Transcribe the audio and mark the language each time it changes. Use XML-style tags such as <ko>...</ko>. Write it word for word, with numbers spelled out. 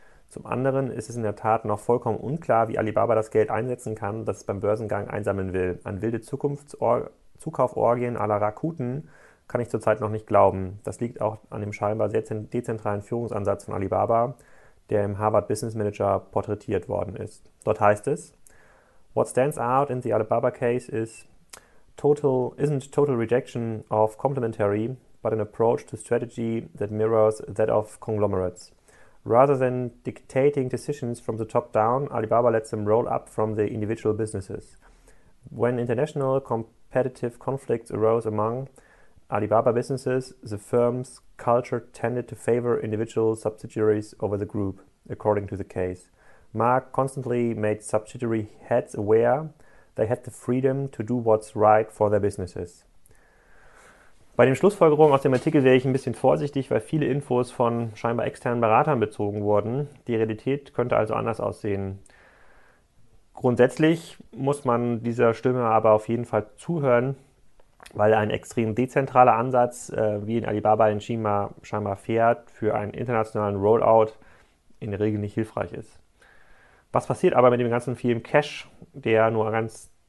<de>Zum anderen ist es in der Tat noch vollkommen unklar, wie Alibaba das Geld einsetzen kann, das es beim Börsengang einsammeln will. An wilde Zukauforgien à la Rakuten kann ich zurzeit noch nicht glauben. Das liegt auch an dem scheinbar sehr dezentralen Führungsansatz von Alibaba, der im Harvard Business Manager porträtiert worden ist. Dort heißt es,</de> <en>what stands out in the Alibaba case is total, isn't total rejection of complementary, but an approach to strategy that mirrors that of conglomerates. Rather than dictating decisions from the top down, Alibaba lets them roll up from the individual businesses. When international competitive conflicts arose among Alibaba businesses, the firm's culture tended to favor individual subsidiaries over the group, according to the case. Ma constantly made subsidiary heads aware they had the freedom to do what's right for their businesses.</en> <de>Bei den Schlussfolgerungen aus dem Artikel wäre ich ein bisschen vorsichtig, weil viele Infos von scheinbar externen Beratern bezogen wurden. Die Realität könnte also anders aussehen. Grundsätzlich muss man dieser Stimme aber auf jeden Fall zuhören, weil ein extrem dezentraler Ansatz, äh, wie in Alibaba in China scheinbar fährt, für einen internationalen Rollout in der Regel nicht hilfreich ist. Was passiert aber mit dem ganzen vielen Cash, der nur ganz</de>